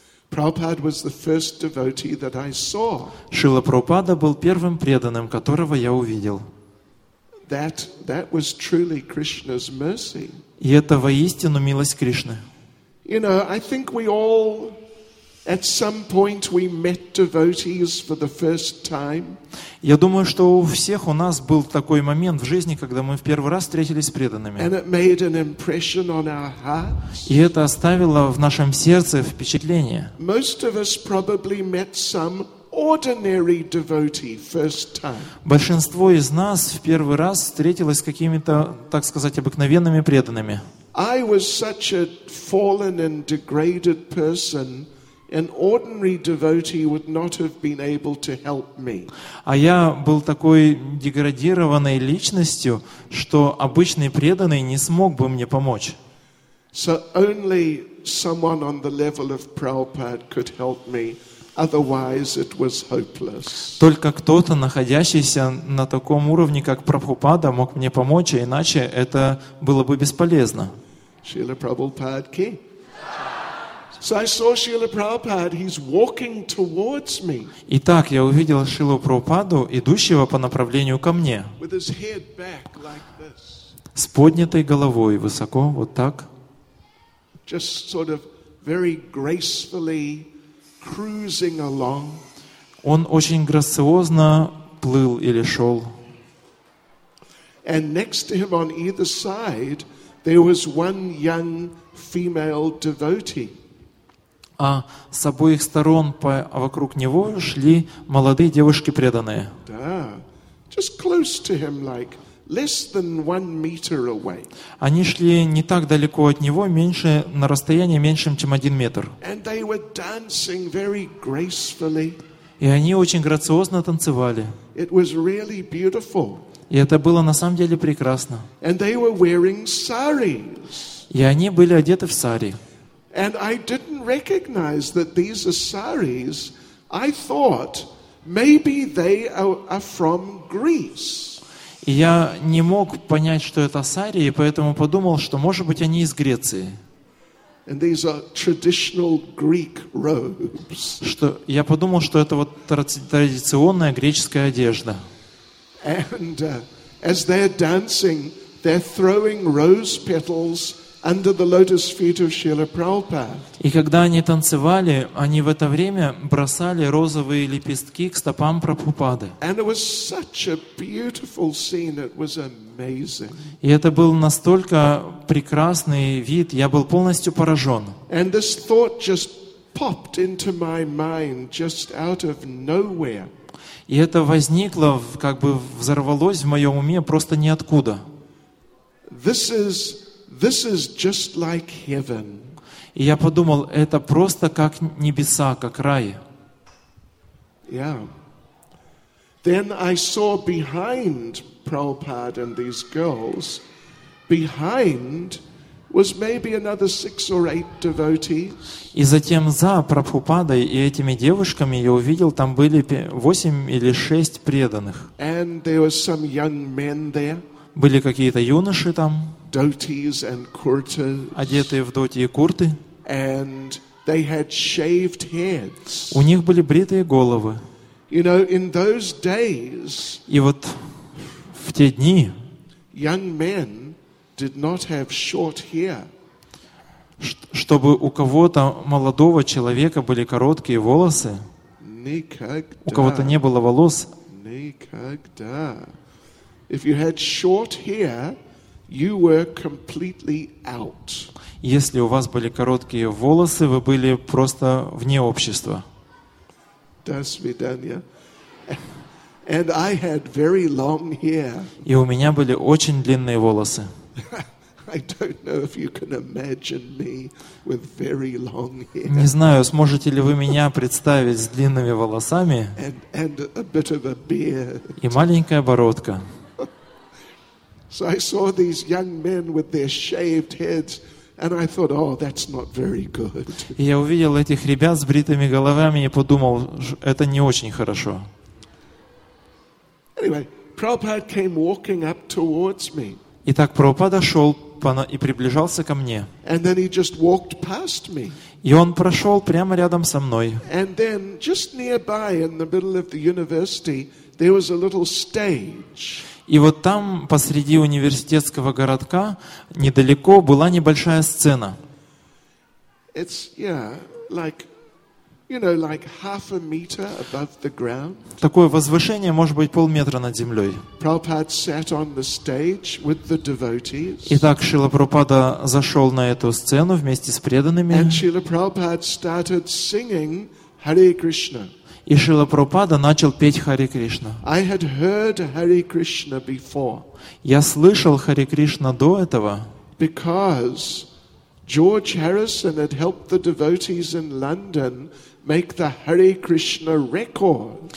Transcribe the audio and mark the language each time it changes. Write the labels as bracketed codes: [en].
[en] Prabhupada was the first devotee that I saw. [ru] Шрила Прабхупада был первым преданным, которого я увидел. [en] That was truly Krishna's mercy. [ru] И это воистину милость Кришны. [en] You know, I think we all, at some point, we met devotees for the first time. [ru] Я думаю, что у всех у нас был такой момент в жизни, когда мы в первый раз встретились с преданными. [en] And it made an impression on our hearts. [ru] И это оставило в нашем сердце впечатление. [en] Most of us probably met some ordinary devotee first time. [ru] Большинство из нас в первый раз встретилось с какими-то, так сказать, обыкновенными преданными. [en] I was such a fallen and degraded person, an ordinary devotee would not have been able to help me. [ru] А я был такой деградированной личностью, что обычный преданный не смог бы мне помочь. [en] So only someone on the level of Prabhupada could help me. Otherwise, it was hopeless. [ru] Только кто-то, находящийся на таком уровне, как Прабхупада, мог мне помочь, а иначе это было бы бесполезно. [en] Srila Prabhupada ki. So I saw Srila Prabhupada, he's walking towards me. [ru] Итак, я увидел Шрилу Прабхупаду, идущего по направлению ко мне. [en] With his head back like this. [ru] С поднятой головой, высоко, вот так. [en] Just sort of very gracefully cruising along. [ru] Он очень грациозно плыл или шел. [en] And next to him on either side there was one young female devotee. [ru] А с обоих сторон вокруг него шли молодые девушки преданные. Да. [en] Just close to him, like less than 1 meter away. [ru] Они шли не так далеко от него, меньше на расстоянии меньшем, чем 1 метр. [en] And they were dancing very gracefully. [ru] И они очень грациозно танцевали. [en] It was really beautiful. [ru] И это было на самом деле прекрасно. [en] And they were wearing saris. [ru] И они были одеты в сари. [en] And I didn't recognize that these are saris. I thought Maybe they are from Greece. [ru] И я не мог понять, что это Сарии, поэтому подумал, что, может быть, они из Греции. [en] And these are traditional Greek robes. [ru] Что я подумал, что это вот традиционная греческая одежда. [en] And as they're dancing, they're throwing rose petals under the lotus feet of Srila Prabhupada. [ru] И когда они танцевали, они в это время бросали розовые лепестки к стопам Прабхупады. [en] And it was such a beautiful scene. It was amazing. [ru] И это был настолько прекрасный вид, я был полностью поражен. [en] And this thought just popped into my mind just out of nowhere. [ru] И это возникло, как бы взорвалось в моем уме просто ниоткуда. [en] This is just like heaven. [ru] И я подумал, это просто как небеса, как рай. [en] Yeah. Then I saw behind Prabhupada and these girls, behind was maybe another 6 or 8 devotees. [ru] И затем за Прабхупадой и этими девушками я увидел, там были 8 или 6 преданных. [en] And there were some young men there. [ru] Были какие-то юноши там. [en] Dhotis and kurtas, [ru] одетые в доти и курты. [en] And they had shaved heads. [ru] У них были бритые головы. [en] You know, in those days, [ru] и вот в те дни [en] young men did not have short hair. [ru] Чтобы у кого-то молодого человека были короткие волосы, никогда. У кого-то не было волос. Никогда. [en] If you had short hair, you were completely out. [ru] Если у вас были короткие волосы, вы были просто вне общества. До свидания. [en] And I had very long hair. [ru] И у меня были очень длинные волосы. [en] I don't know if you can imagine me with very long hair. [ru] Не знаю, сможете ли вы меня представить с длинными волосами? [en] And a bit of a beard. [ru] И маленькая бородка. [en] So I saw these young men with their shaved heads, and I thought, "Oh, that's not very good." [ru] Я увидел этих ребят с бритыми головами и подумал, это не очень хорошо. [en] Anyway, Prabhupada came walking up towards me. [ru] Итак, Прабхупада шел и приближался ко мне. [en] And then he just walked past me. [ru] И он прошел прямо рядом со мной. [en] And then, just nearby, in the middle of the university, there was a little stage. [ru] И вот там, посреди университетского городка, недалеко была небольшая сцена. [en] It's, yeah, like, you know, like half a meter above the ground. [ru] Такое возвышение, может быть, полметра над землей. [en] Prabhupada sat on the stage with the devotees. [ru] Итак, Шрила Прабхупада зашел на эту сцену вместе с преданными. [en] And Shrila Prabhupada started singing Hare Krishna. [ru] И Шрила Прабхупада начал петь Харе Кришна. [en] I had heard Hare Krishna before. [ru] Я слышал Харе Кришна до этого. [en] Because George Harrison had helped the devotees in London make the Hare Krishna record.